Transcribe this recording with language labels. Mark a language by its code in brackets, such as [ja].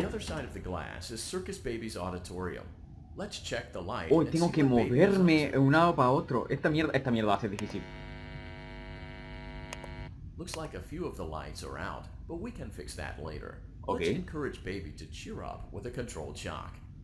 [en] The other side of the glass is Circus Baby's auditorium. Let's check the light. [es] Uy, tengo que moverme de un lado para otro. Esta mierda va a ser difícil. [en] Looks like a few of the lights are out, but we can fix that later. Okay. Let's encourage baby to cheer up with a controlled shock.